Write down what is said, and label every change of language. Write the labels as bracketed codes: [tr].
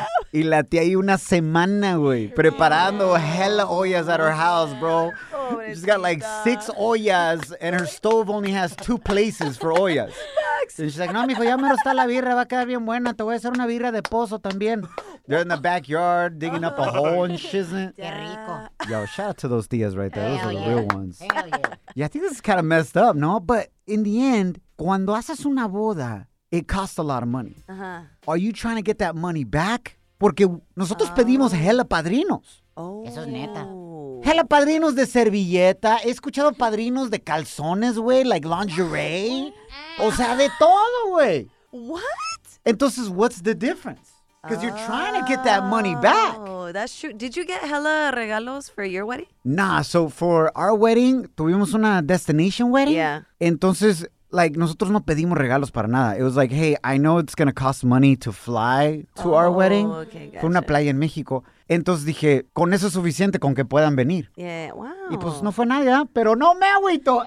[es] Y la tía ahí una semana, güey, preparando hella ollas [en] at her house, [es] bro. Pobrecita. [en] She's got like 6 ollas, and her stove only has 2 places for ollas. And she's like, [es] no, mijo, ya me lo está la birra, va a quedar bien buena. Te voy a hacer una birra de pozo también. [en] They're in the backyard digging up a hole and shizzing. [es] Qué rico. [en] Yo, shout out to those tías right there. Those hell are the real ones. Hell yeah. Yeah, I think this is kind of messed up, no? But in the end, [es] cuando haces una boda, [en] it costs a lot of money. Uh-huh. Are you trying to get that money back? [es] Porque nosotros pedimos hella padrinos. Oh. Eso es neta. Hella padrinos de servilleta. He escuchado padrinos de calzones, güey, [en] like lingerie. [es] O sea, de todo, güey. [en] What? Entonces, what's the difference? Because you're trying to get that money back. Oh, that's true. Did you get hella regalos for your wedding? Nah, so for our wedding, [es] tuvimos una [en] destination wedding. Yeah. [es] Entonces, like, nosotros no pedimos regalos para nada. [en] It was like, hey, I know it's going to cost money to fly to our wedding. Oh, okay, gotcha. [es] Fue una playa en México. Entonces dije, con eso es suficiente, con que puedan venir. [en] Yeah, wow. [es] Y pues no fue nada, pero no me agüito.